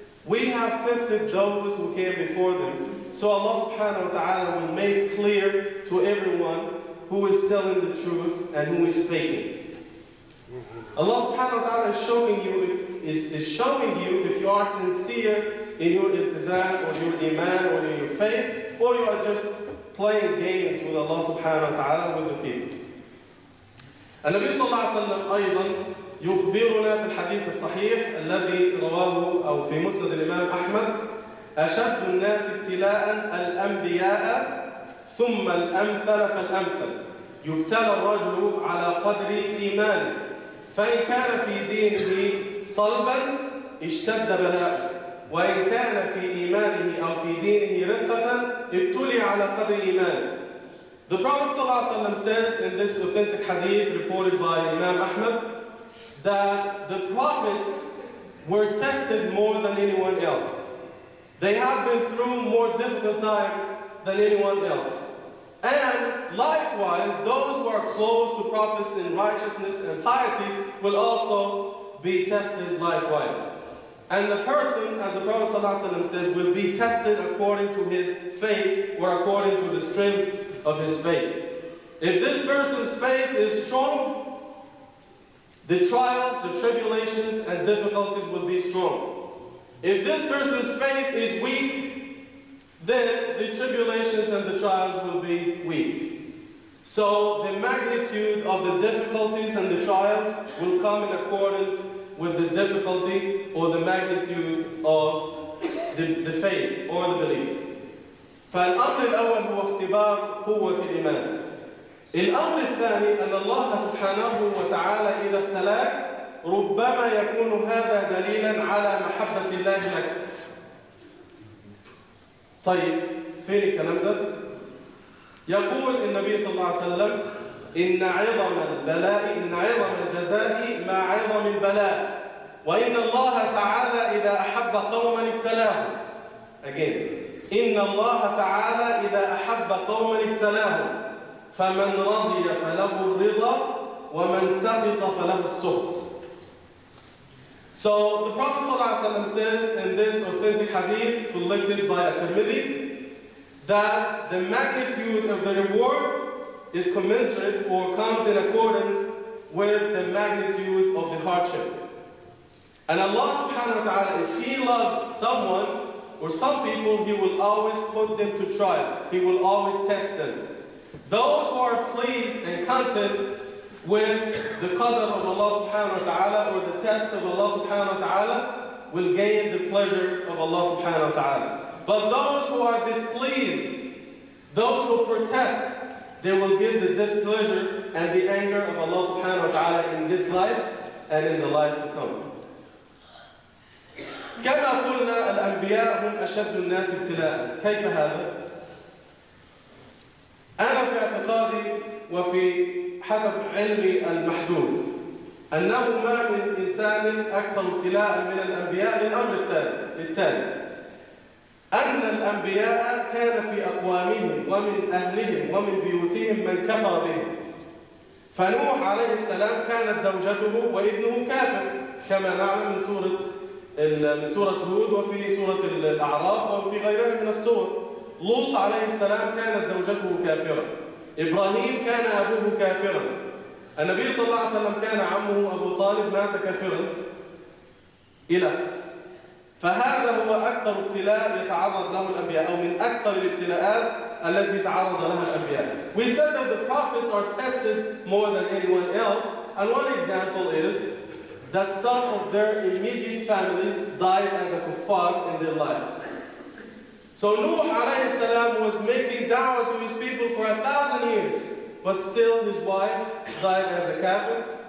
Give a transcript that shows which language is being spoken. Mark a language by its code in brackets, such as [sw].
[en] We have tested those who came before them. So Allah subhanahu wa ta'ala will make clear to everyone who is telling the truth and who is faking. Allah subhanahu wa ta'ala is showing you if you are sincere in your ibtizaq or your iman or in your faith, or you are just playing games with Allah subhanahu wa ta'ala with the people. And Nabi sallallahu alayhi wa sallam [ar] أيضاً يخبرنا في الحديث الصحيح الذي رواه أو في مسند الإمام أحمد أشد الناس ابتلاء الأنبياء ثم الأمثل فالأمثل يبتلى الرجل على قدر إيمانه فإن كان في دينه صلبا اشتد بلاءه وإن كان في إيمانه أو في دينه رقة ابتلي على قدر إيمانه. [en] The Prophet صلى الله عليه وسلم says in this authentic hadith reported by Imam Ahmad that the Prophets were tested more than anyone else. They have been through more difficult times than anyone else. And likewise, those who are close to Prophets in righteousness and piety will also be tested likewise. And the person, as the Prophet Sallallahu Alaihi Wasallam says, will be tested according to his faith or according to the strength of his faith. If this person's faith is strong, the trials, the tribulations, and difficulties will be strong. If this person's faith is weak, then the tribulations and the trials will be weak. So the magnitude of the difficulties and the trials will come in accordance with the difficulty or the magnitude of the faith or the belief. [ar] فالأمر الأول هو اختبار قوة الإيمان. الأمر الثاني أن الله سبحانه وتعالى إذا ابتلاك ربما يكون هذا دليلا على محبة الله لك. طيب فين الكلام ده؟ يقول النبي صلى الله عليه وسلم إن عظم البلاء إن عظم الجزاء ما عظم البلاء وإن الله تعالى إذا أحب قوما ابتلاه. [en] Again. [ar] إن الله تعالى إذا أحب قوما ابتلاه فمن رضي فله الرضا ومن سخط فله السخط. [en] So the Prophet صلى الله عليه وسلم says in this authentic hadith collected by At-Tirmidhi that the magnitude of the reward is commensurate or comes in accordance with the magnitude of the hardship. And Allah subhanahu wa ta'ala, if He loves someone or some people, He will always put them to trial. He will always test them. Those who are pleased and content with the qadr of Allah subhanahu wa ta'ala or the test of Allah subhanahu wa ta'ala will gain the pleasure of Allah subhanahu wa ta'ala. But those who are displeased, those who protest, they will get the displeasure and the anger of Allah subhanahu wa ta'ala in this life and in the life to come. [ar] كما قلنا الأنبياء هم أشد الناس ابتلاء. كيف هذا؟ أنا في اعتقادي وفي حسب علمي المحدود أنه ما من إنسان أكثر ابتلاء من الأنبياء للأمر التالي: أن الأنبياء كان في أقوامهم ومن أهلهم ومن بيوتهم من كفر بهم. فنوح عليه السلام كانت زوجته وابنه كافر كما نعلم من سورة هود وفي سورة الأعراف وفي غيرها من السور. لوط عليه السلام كانت زوجته كافرة. إبراهيم كان أبوه كافرا. النبي صلى الله عليه وسلم كان عمه أبو طالب مات كافرا. فهذا هو أكثر ابتلاء يتعرض له الأنبياء أو من أكثر الابتلاءات التي تعرض لها الأنبياء. [en] We said that the prophets are tested more than anyone else. And one example is that some of their immediate families died as a kuffar in their lives. So Nuh alayhi salam was making da'wah to his people for 1,000 years, but still his wife died as a kafir.